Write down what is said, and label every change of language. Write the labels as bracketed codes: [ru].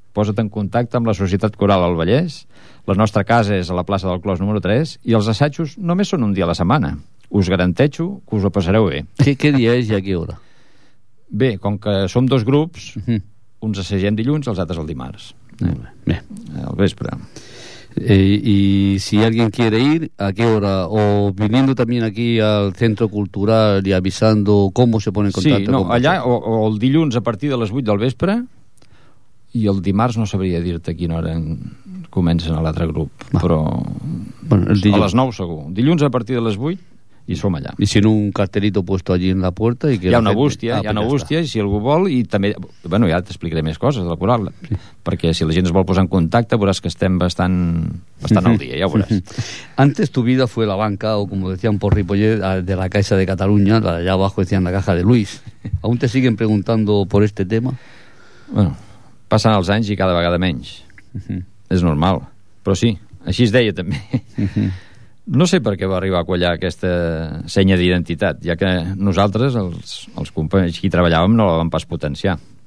[ca] Posa't en contacte amb la Societat Coral al Vallès. La nostra casa és a la plaça del Clos número 3 i els assajos només són un dia a la setmana. Us garanteixo que us ho passareu bé. Què dia és i a quina hora? Bé, com que som dos grups... Uh-huh. Uns assagem dilluns, els altres el dimarts. Bé. Al vespre. [es] I si alguien quiere ir, a qué hora? O viniendo también aquí al centro cultural y avisando cómo se pone en contacto. [ca] Sí, no, allà, o el dilluns a partir de les 8 del vespre, i el dimarts no sabria dir-te a quina hora comencen a l'altre grup, però... Bueno, el dilluns. A les 9 segur. Dilluns a partir de les 8... i som allà. [es] I si no, un cartelito puesto allí en la puerta... [ca] I que hi ha una bústia, hi ha una bústia, i si algú vol, i també... Bueno, ja t'explicaré més coses de la coral, sí. Perquè si la gent es vol posar en contacte, veuràs que estem bastant al dia, ja ho veuràs. [es] Antes tu vida fue la banca, o como decían por Ripollet, de la Caixa de Catalunya, la de allá abajo decían la Caja de Luis. ¿Aún te siguen preguntando por este tema? [ca] Bueno, passen els anys i cada vegada menys. Uh-huh. És normal. Però sí, així es deia també. No sé per què va arribar a quallar aquesta senya d'identitat, ja que nosaltres, els companys que hi treballàvem, no la vam pas potenciar.